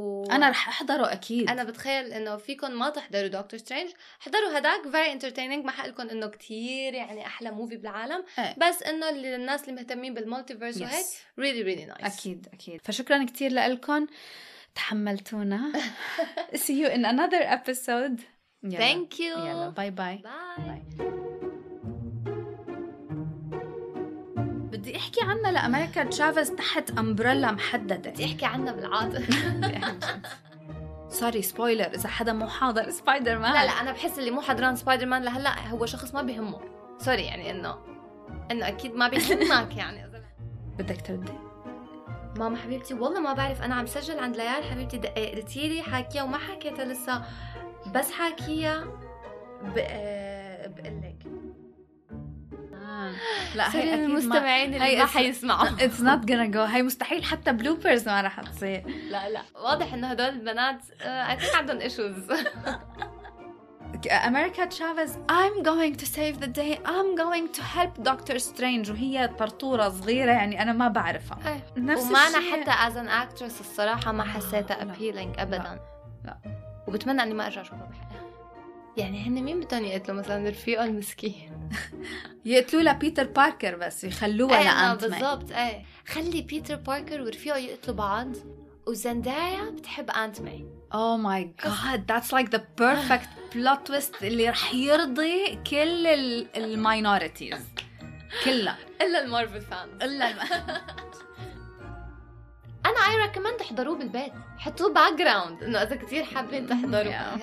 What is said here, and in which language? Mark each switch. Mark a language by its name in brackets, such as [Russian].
[Arabic] انا رح احضره اكيد. انا بتخيل انه فيكم ما تحضروا دكتور سترينج, حضروا هداك [English] very entertaining. [Arabic] ما حقلكم انه كتير يعني احلى موفي بالعالم, بس انه للناس اللي مهتمين بالمولتيفيرس وهيك [English] really really nice. [Arabic] اكيد اكيد. فشكرا كتير لكم تحملتونا. [English] see you in another episode. [Arabic] يلا. [English] thank you. [Arabic] يلا باي باي. بدي احكي عنا لأمريكا تشافز تحت أمبريلا محددة. بدي احكي عنا بالعادة. سوري سبويلر إذا حدا مو حاضر سبايدر مان. لا لا أنا بحس اللي مو حضران سبايدر مان لهلا هو شخص ما بيهمه. سوري يعني إنه أكيد ما بيهمك يعني. بدك تردي؟ ماما حبيبتي والله ما بعرف, أنا عم سجل عند ليال حبيبتي دقيقتيلي حاكية وما حكيتها لسه, بس حاكية بقلك. لا هي المستمعين اللي ما حيسمعوا. [English] It's not gonna go. [Arabic] هي مستحيل حتى بلوبرز ما راح تصير. لا لا واضح انه هدول البنات عندهم issues. [English] أمريكا تشافز I'm going to save the day, I'm going to help Dr. [Arabic] Strange, وهي طرطورة صغيرة يعني أنا ما بعرفها. نفس وما الشيء. أنا حتى [English] as an actress [Arabic] الصراحة ما حسيتها [English] appealing [Arabic] أبدا. لا وبتمنى أني ما أرجع أشوفها بحياتي. يعني هن مين بدهم يقتلوا مثلا رفيقه المسكين؟ يقتلوا لبيتر باركر بس يخلوها لأنت مان. بالضبط. خلي بيتر باركر ورفيقه يقتلوا بعض, وزندايا بتحب أنت مان. [English] Oh my god, that's like the perfect plot twist [Arabic] اللي رح يرضي كل الماينوريتيز كلها إلا المارفل فانز. إلا أنا [English] I recommend [Arabic] تحضروه بالبيت, حطوه background إنه إذا كتير حابين تحضروه.